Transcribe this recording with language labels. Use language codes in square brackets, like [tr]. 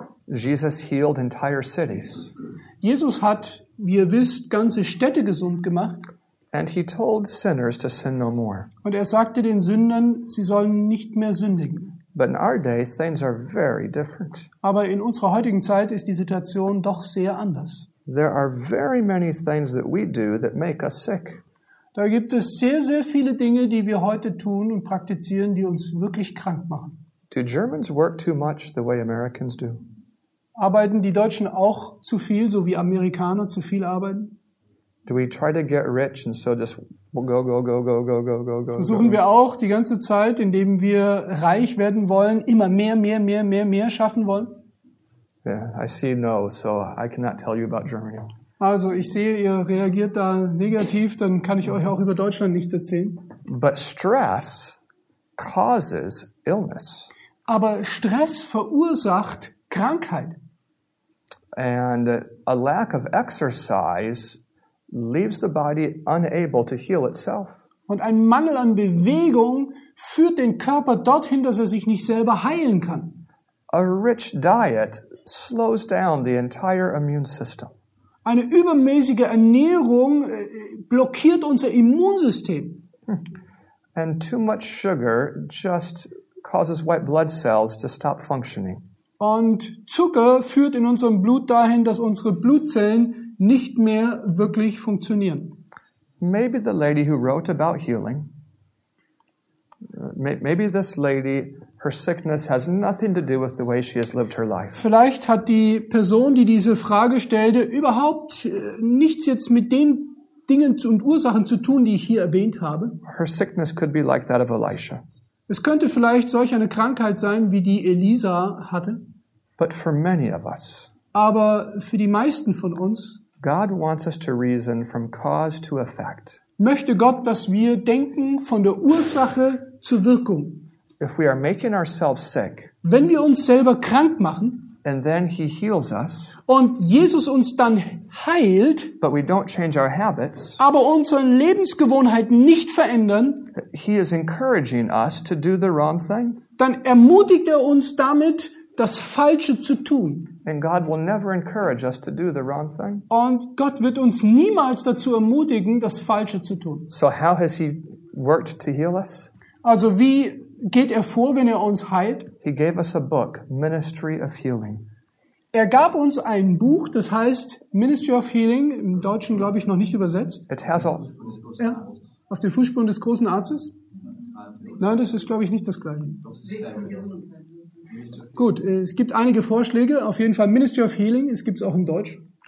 [en] Jesus healed entire cities. [de] Jesus hat, wie ihr wisst, ganze Städte gesund gemacht. [en] And he told sinners to sin no more. [de] Und sagte den Sündern, sie sollen nicht mehr sündigen. [en] But in our day, things are very different. [de] Aber in unserer heutigen Zeit ist die Situation doch sehr anders. [en] There are very many things that we do that make us sick. [de] Da gibt es sehr, sehr viele Dinge, die wir heute tun und praktizieren, die uns wirklich krank machen. [en] Do Germans work too much the way Americans do? [de] Arbeiten die Deutschen auch zu viel, so wie Amerikaner zu viel arbeiten? [en] Do we try to get rich and so just go, go, go, go, go, go, go, go? [de] Versuchen wir auch die ganze Zeit, indem wir reich werden wollen, immer mehr, mehr, mehr, mehr, mehr schaffen wollen? [en] Yeah, I see no, so I cannot tell you about Germany. [de] Also, ich sehe, ihr reagiert da negativ, dann kann ich euch auch über Deutschland nichts erzählen. [en] But stress causes illness. [de] Aber Stress verursacht Krankheit. [en] And a lack of exercise leaves the body unable to heal itself. [de] Und ein Mangel an Bewegung führt den Körper dorthin, dass er sich nicht selber heilen kann. [en] A rich diet slows down the entire immune system. [de] Eine übermäßige Ernährung blockiert unser Immunsystem. [en] And too much sugar just causes white blood cells to stop functioning. [de] Und Zucker führt in unserem Blut dahin, dass unsere Blutzellen nicht mehr wirklich funktionieren. [en] Maybe the lady who wrote about healing, maybe this lady, her sickness has nothing to do with the way she has lived her life. [de] Vielleicht hat die Person, die diese Frage stellte, überhaupt nichts jetzt mit den Dingen und Ursachen zu tun, die ich hier erwähnt habe. [en] Her sickness could be like that of Elisha. [de] Es könnte vielleicht solch eine Krankheit sein, wie die Elisa hatte. [en] But for many of us, [de] aber für die meisten von uns, [en] God wants us to reason from cause to effect. [de] Möchte Gott, dass wir denken von der Ursache zur Wirkung. [en] If we are making ourselves sick, [de] wenn wir uns selber krank machen, [en] and then he heals us, [de] und Jesus uns dann heilt, [en] but we don't change our habits, [de] aber unsere Lebensgewohnheiten nicht verändern, [en] he is encouraging us to do the wrong thing. [de] Dann ermutigt er uns damit, das Falsche zu tun. [en] And God will never encourage us to do the wrong thing. [de] Und Gott wird uns niemals dazu ermutigen, das Falsche zu tun. [en] So how has he worked to heal us? [de] Also wie geht er vor, wenn er uns heilt? [en] He gave us a book, Ministry of Healing. [de] Er gab uns ein Buch, das heißt Ministry of Healing, im Deutschen glaube ich noch nicht übersetzt. [en] It has all. [de] Ja, auf den Fußspuren des großen Arztes? Nein, das ist glaube ich nicht das Gleiche. Gut, es gibt einige Vorschläge, auf jeden Fall Ministry of Healing, es gibt es auch im Deutsch.